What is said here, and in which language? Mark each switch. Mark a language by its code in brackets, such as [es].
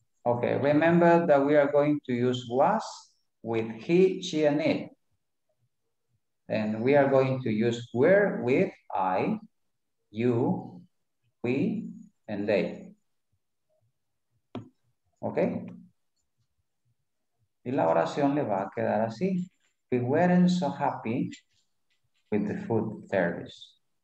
[en] Okay, remember that we are going to use was with he, she, and it. And we are going to use were with I, you, we, and they. Okay? [es] Y la oración le va a quedar así. [en] We weren't so happy with the food service.